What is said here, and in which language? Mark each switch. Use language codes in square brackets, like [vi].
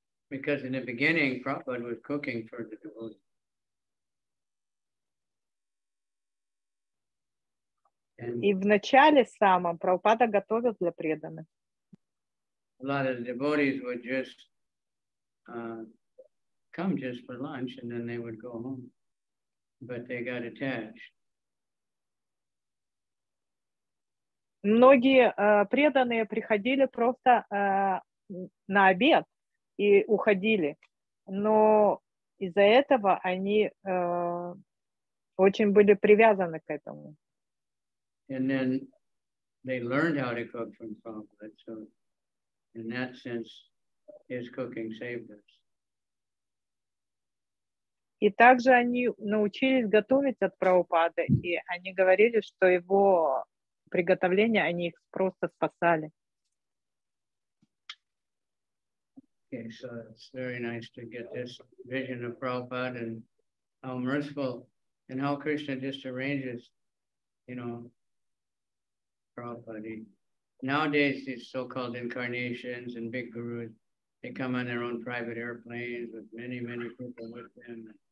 [en] Because in the beginning, Prabhupada was cooking for the devotees. [ru] И в начале самом Прабхупада готовил для преданных. [en] A lot of the devotees would just come just for lunch and then they would go home. But they got attached. [ru] Многие преданные приходили просто на обед и уходили. Но из-за этого они очень были привязаны к этому. [en] And then they learned how to cook from Prabhupada. So in that sense, his cooking saved us. [ru] И также они научились готовить от Прабхупады, и они говорили, что его приготовление, они их просто спасали. [en] Okay, so it's very nice to get this vision of Prabhupada and how merciful and how Krishna just arranges, you know, Prabhupada. Nowadays, these so-called incarnations and big gurus, they come on their own private airplanes with many, many people with them.